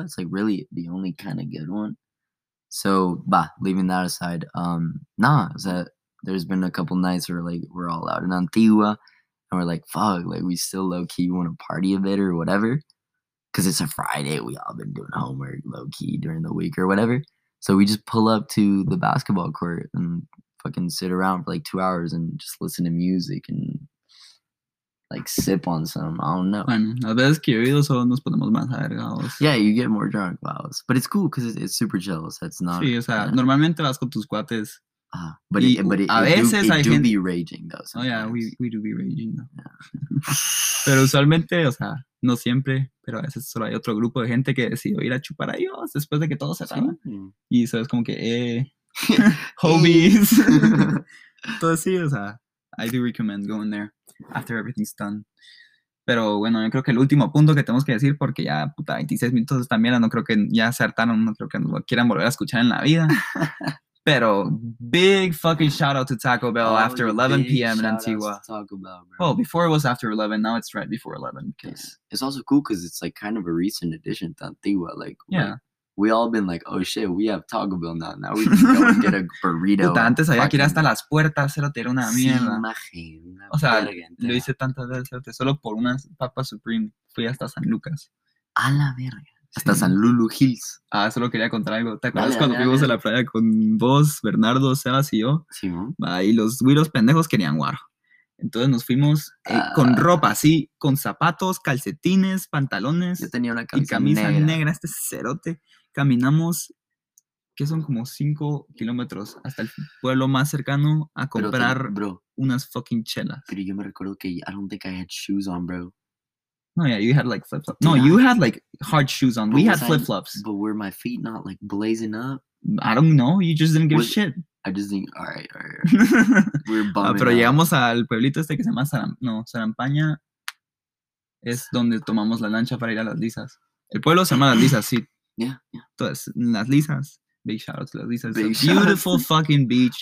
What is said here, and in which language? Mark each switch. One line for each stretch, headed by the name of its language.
English: It's like really the only kind of good one. So, bah, leaving that aside, nah, is that there's been a couple nights where, like, we're all out in Antigua, and we're like, fuck, like, we still low-key want to party a bit or whatever, because it's a Friday, we all been doing homework low-key during the week or whatever, so we just pull up to the basketball court and fucking sit around for, like, 2 hours and just listen to music and, like, sip on some, I don't know.
Spanish: Bueno, a veces que yo he ido solo nos ponemos más agregados.
English: Yeah, you get more drunk, wow. But it's cool, because it's super chill, so it's not...
Spanish: Sí, o sea, normalmente vas con tus cuates.
English: But it do be raging, though. Sometimes. Oh, yeah, we do be raging, though. Yeah.
Spanish: Pero usualmente, o sea, no siempre, pero a veces solo hay otro grupo de gente que decidió ir a chupar a ellos después de que todo se acaba. Sí. Y eso es como que,
English: homies.
Spanish: Entonces, sí, o sea,
English: I do recommend going there after everything's done.
Spanish: Pero bueno, yo creo que el último punto que tenemos que decir, porque ya, puta, 26 minutos de esta mierda, no creo que ya se hartaron, no creo que lo quieran volver a escuchar en la vida. Pero
English: big fucking shout out to Taco Bell after 11 p.m. in Antigua. Taco Bell, bro. Well, before it was after 11, now it's right before 11. Because yeah. It's also cool because it's like kind of a recent addition to Antigua. Like, yeah. We all been like, oh shit, we have Taco Bell now. Now we can go and get a burrito.
Spanish: Puta, antes había que ir hasta las puertas, era tirar una mierda. Sí, imagínate. O sea, lo hice tantas veces, solo por una papa supreme. Fui hasta San Lucas. A la verga. Hasta sí. San Lulu Hills. Ah, solo quería contar algo. ¿Te acuerdas cuando fuimos a la playa con vos, Bernardo, Sebas y yo? Sí, ¿no? Y los güiros pendejos querían guaro. Entonces nos fuimos con ropa, sí, con zapatos, calcetines, pantalones. Yo tenía una camisa negra. Este cerote. Caminamos, que son como 5 kilómetros hasta el pueblo más cercano a comprar unas fucking chelas. Pero yo me recuerdo que
English: I don't think I had shoes on, bro. No, yeah, you had like flip flops. No, you had like hard shoes on. We had flip flops. But were my feet not like blazing up? I don't know. You just didn't give a shit. I just think, all right. We're bumming.
Spanish: Pero llegamos al pueblito este que se llama Sarampaña. Es donde tomamos la lancha para ir a Las Lisas. El pueblo se llama Las Lisas, sí. Yeah.
English: Entonces, Las Lisas. Big shout out to Las Lisas. It's a beautiful fucking beach.